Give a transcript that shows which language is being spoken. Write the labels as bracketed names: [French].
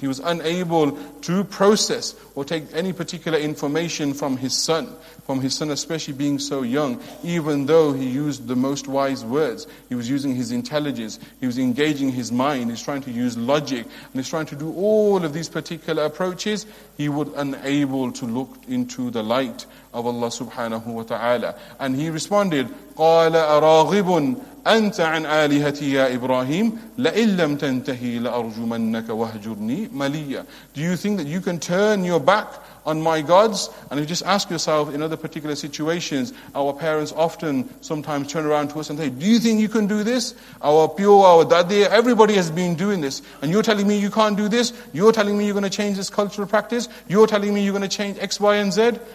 [English] He was unable to process or take any particular information from his son, especially being so young, even though he used the most wise words. He was using his intelligence, he was engaging his mind, he's trying to use logic, and he's trying to do all of these particular approaches. He was unable to look into the light of Allah subhanahu wa ta'ala. And he responded, [Arabic] قَالَ أَرَاغِبٌ أَنْتَ عَنْ آلِهَتِي يَا إِبْرَاهِيمُ لَإِنْ لَمْ تَنْتَهِي لَأَرْجُمَنَّكَ وَهْجُرْنِي مَلِيًّا. [English] Do you think that you can turn your back on my gods? And if you just ask yourself, in other particular situations, our parents often sometimes turn around to us and say, do you think you can do this? Our pure, our daddy, everybody has been doing this, and you're telling me you can't do this? You're telling me you're going to change this cultural practice? You're telling me you're going to change X, Y, and Z?